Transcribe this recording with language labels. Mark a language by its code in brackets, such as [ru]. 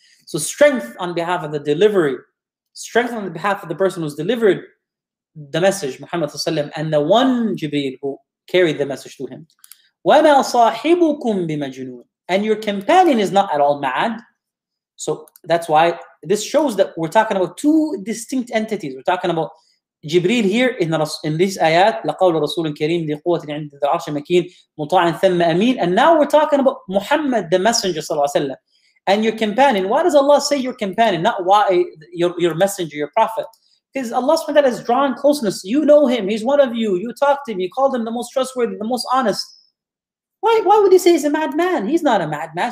[en] So strength on behalf of the delivery, strength on behalf of the person who's delivered the message, Muhammad ﷺ, and the one Jibreel who carried the message to him. [ar] وَمَا صَاحِبُكُمْ بِمَجْنُونَ. [en] And your companion is not at all mad. So that's why this shows that we're talking about two distinct entities. We're talking about Jibreel here in this ayat, [ar] لقول رسول كريم ذي قوة عند ذي العرش مكين مطاع ثم أمين. [en] And now we're talking about Muhammad, the messenger, صلى الله عليه وسلم, and your companion. Why does Allah say your companion, not why your messenger, your prophet? Because Allah SWT has drawn closeness. You know him. He's one of you. You talked to him. You called him the most trustworthy, the most honest. Why would he say he's a madman? He's not a madman.